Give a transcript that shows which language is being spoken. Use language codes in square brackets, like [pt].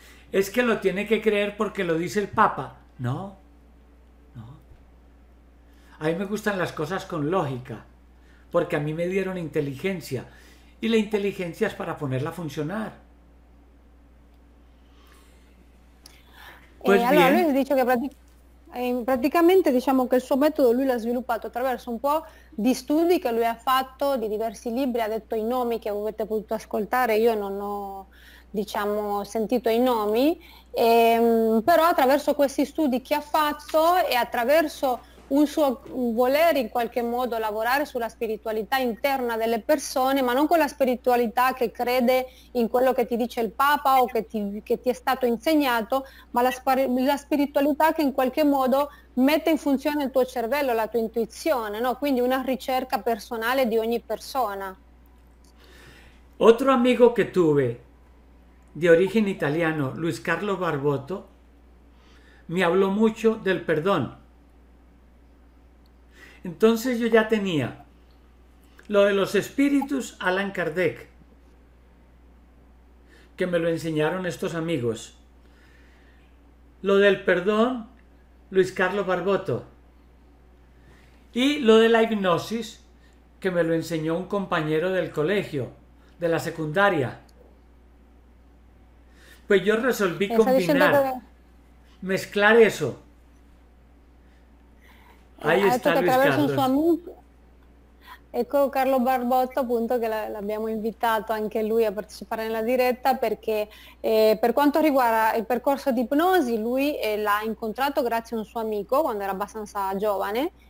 [es] Es que lo tiene que creer porque lo dice el Papa. No, no. A mí me gustan las cosas con lógica, porque a mí me dieron inteligencia. Y la inteligencia es para ponerla a funcionar. [it] Pues allora, lui ha detto che praticamente diciamo che il suo metodo lui l'ha sviluppato attraverso un po' di studi che lui ha fatto, di diversi libri, ha detto i nomi che avete potuto ascoltare, io non ho, diciamo, sentito i nomi, però attraverso questi studi che ha fatto e attraverso un suo volere in qualche modo lavorare sulla spiritualità interna delle persone, ma non quella spiritualità che crede in quello che ti dice il Papa o che ti è stato insegnato, ma la spiritualità che in qualche modo mette in funzione il tuo cervello, la tua intuizione, no? Quindi una ricerca personale di ogni persona. [es] Otro amigo que tuve, de origen italiano, Luis Carlos Barbotto, me habló mucho del perdón. Entonces yo ya tenía lo de los espíritus, Allan Kardec, que me lo enseñaron estos amigos. Lo del perdón, Luis Carlos Barbotto. Y lo de la hipnosis, que me lo enseñó un compañero del colegio, de la secundaria. Pues yo resolví combinar, mezclar eso. Ahí está Luis Carlos. [it] Ecco Carlo Barbotto, appunto, che l'abbiamo invitato anche lui a partecipare nella diretta, perché per quanto riguarda il percorso di ipnosi, lui l'ha incontrato grazie a un suo amico quando era abbastanza giovane.